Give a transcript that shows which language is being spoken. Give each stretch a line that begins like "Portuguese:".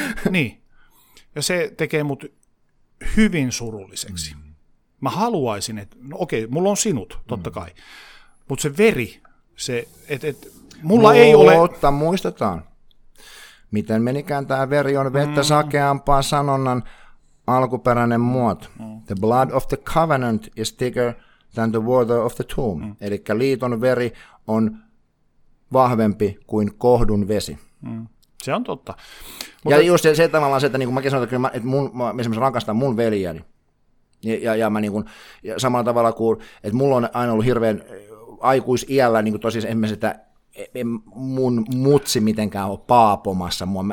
Finnish: Niin, ja se tekee mut... hyvin surulliseksi. Mä haluaisin, että no okei, mulla on sinut, totta kai. Mutta se veri, se, että mulla ei ole... Mutta muistetaan, miten menikään tämä veri on vettä sakeampaa sanonnan alkuperäinen muoto.
English: The blood of the covenant is thicker than the water of the tomb.
Finnish: Eli liiton veri on vahvempi kuin kohdun vesi. Se on totta. Mutta... Ja just se tavallaan se, että niin kuin mäkin sanoin, että, kyllä mä, että mun, mä esimerkiksi rakastan mun veljeni. Ja mä niin kuin, ja samalla tavalla kuin, että mulla on aina ollut hirveän aikuisiällä, niin kuin tosiaan esimerkiksi, että mun mutsi mitenkään ole paapomassa mua.